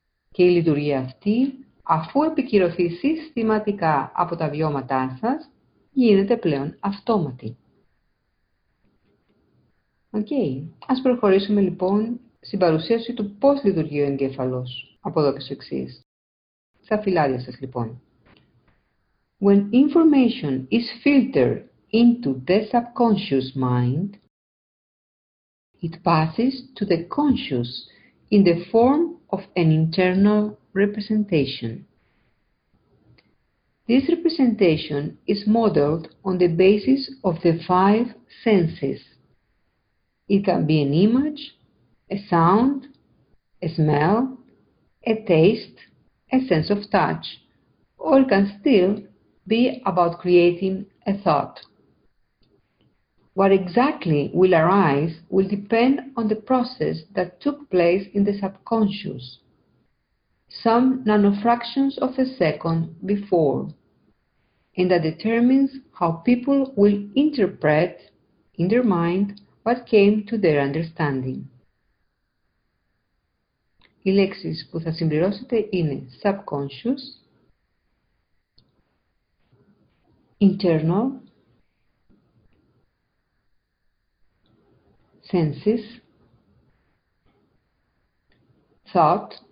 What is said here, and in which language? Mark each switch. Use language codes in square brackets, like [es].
[el] Και η λειτουργία αυτή, αφού επικυρωθεί συστηματικά από τα βιώματά σας, γίνεται πλέον αυτόματη. Okay. Ας προχωρήσουμε λοιπόν στην παρουσίαση του πώς λειτουργεί ο εγκέφαλος από εδώ και στο εξής. Στα φυλάδια σας λοιπόν. [en] When information is filtered into the subconscious mind, it passes to the conscious in the form of an internal representation. This representation is modeled on the basis of the five senses. It can be an image, a sound, a smell, a taste, a sense of touch, or it can still be about creating a thought. What exactly will arise will depend on the process that took place in the subconscious, some nanofractions of a second before, and that determines how people will interpret in their mind what came to their understanding. [el] Οι λέξεις που θα συμπληρώσετε είναι [en] subconscious, internal, senses, thought,